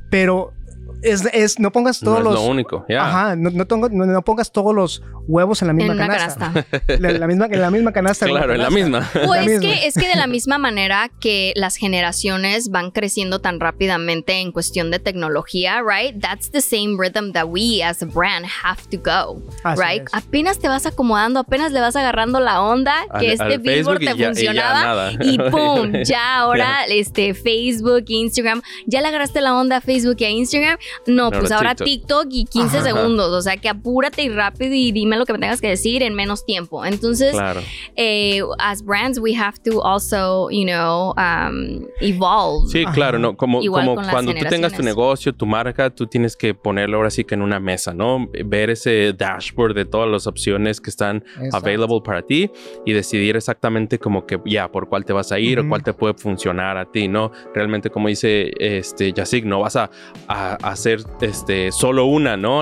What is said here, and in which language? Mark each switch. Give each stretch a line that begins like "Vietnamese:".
Spanish: pero es no pongas todos no es lo único.
English: Yeah.
Spanish: Ajá, no pongas todos los huevos en la misma canasta. En la misma canasta. Claro, en la misma. Es que de la misma manera que las generaciones van creciendo tan rápidamente en cuestión de tecnología,
English: right? That's the same rhythm that we as a brand have to go,
Spanish: así
English: right?
Spanish: Es. Apenas te vas acomodando, apenas le vas agarrando la onda que este billboard te funcionaba y ¡pum! Ya ahora Facebook, Instagram, ya le agarraste la onda a Facebook y a Instagram. TikTok y 15 segundos. O sea, que apúrate y rápido y dime lo que me tengas que decir en menos tiempo.
English: Entonces, as brands, we have to also, you know, evolve.
Spanish: Sí, claro, ¿no? Como cuando tú tengas tu negocio, tu marca, tú tienes que ponerlo ahora sí que en una mesa, ¿no? Ver ese dashboard de todas las opciones que están available para ti y decidir exactamente como que ya, por cuál te vas a ir o cuál te puede funcionar a ti, ¿no? Realmente, como dice Yacig, no vas a hacer solo una, ¿no?